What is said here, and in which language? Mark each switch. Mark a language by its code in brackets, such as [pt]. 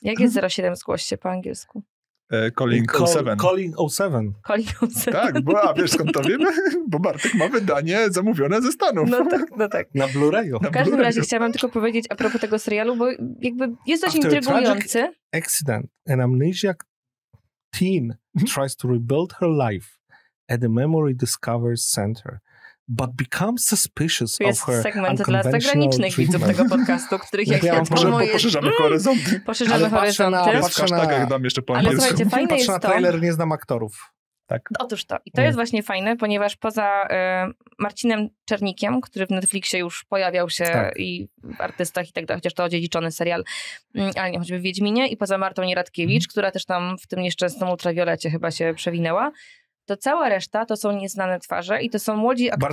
[pl] Jak jest 07, zgłoś się po angielsku. [en] Calling 07. Calling 07. [pl] Tak, bo a wiesz skąd to wiemy? Bo Bartek ma wydanie zamówione ze Stanów. No tak, no tak. Na Blu-rayu. W każdym razie chciałam tylko powiedzieć a propos tego serialu, bo jakby jest dość intrygujący. [en] Accident. An amnesiac teen tries to rebuild her life at the memory discovery center. But become suspicious of her unconventional treatment. [pl] Jest segment dla zagranicznych widzów tego podcastu, których jak ja mówię... Poszerzamy horyzonty. Poszerzamy horyzonty. Ale patrzę na... Jak dam jeszcze po angielsku. Ale słuchajcie, fajne jest to... Patrzę na trailer, nie znam aktorów. Tak. Otóż to. I to jest właśnie fajne, ponieważ poza Marcinem Czernikiem, który w Netflixie już pojawiał się i w artystach i tak dalej, chociaż to odziedziczony serial, ale nie, choćby w Wiedźminie, i poza Martą Nieratkiewicz, która też tam w tym nieszczęsnym ultrawiolecie chyba się przewinęła, to cała reszta to są nieznane twarze i to są młodzi aktorzy.